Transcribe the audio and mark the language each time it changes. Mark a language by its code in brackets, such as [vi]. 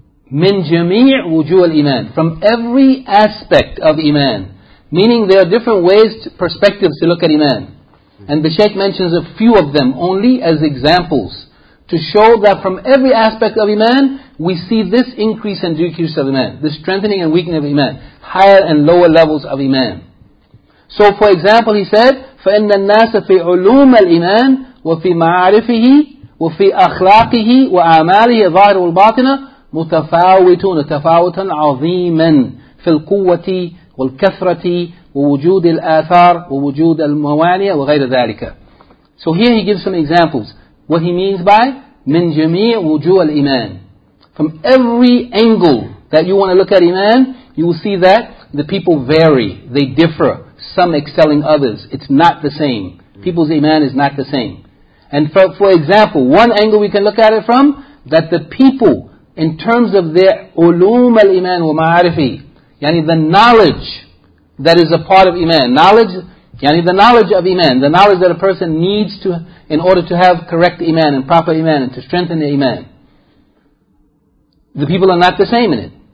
[ar] Min jami' wujuh al-iman, [en] from every aspect of iman, meaning there are different ways, perspectives to look at iman. And the Shaykh mentions a few of them only as examples, to show that from every aspect of iman, we see this increase and decrease of iman, the strengthening and weakening of iman, higher and lower levels of iman. So for example, he said, [ar] فَإِنَّ النَّاسَ فِي عُلُومَ الْإِيمَانِ وَفِي مَعَارِفِهِ وَفِي أَخْلَاقِهِ وَأَعْمَالِهِ ظَاهِرُ وَالْبَاطِنَ مُتَفَاوِتُونَ تَفَاوُتًا عَظِيمًا فِي الْقُوَّةِ وَالْكَثْرَةِ وَوُجُودِ الْآثَارِ وَوُجُودِ الْمَوَانِيَ وَغَيْرَ ذَلِكَ. [en] So here he gives some examples. What he means by [ar] مِنْ جَمِيعُ وُجُوهِ الْإِيمَانِ, [en] from every angle that you want to look at iman, you will see that the people vary, they differ, some excelling others. It's not the same. People's iman is not the same. And for example, one angle we can look at it from, that the people, in terms of their [ar] ulum al-iman wa ma'arifi, [en] yani the knowledge that is a part of iman, knowledge, yani the knowledge of iman, the knowledge that a person needs to, in order to have correct iman and proper iman and to strengthen the iman, the people are not the same in it.